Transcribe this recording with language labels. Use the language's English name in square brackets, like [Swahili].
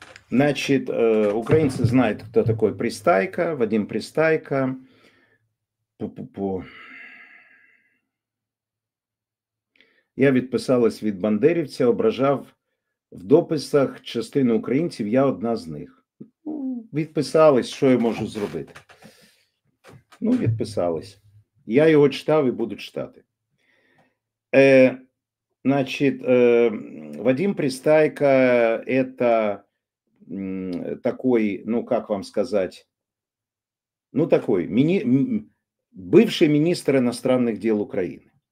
[Russian] Значит, украинцы знают, кто такой Пристайко, Вадим Пристайко. Пу-пу-пу. [Ukrainian] Я відписалась від бандерівця, ображав в дописах частину українців, я одна з них. Відписалась, що я можу зробити? Ну, відписалась. Я його читав і буду читати. [Russian] Значит, Вадим Пристайко – это... такой, ну как вам сказать, ну такой, бывший министр иностранных дел Украины.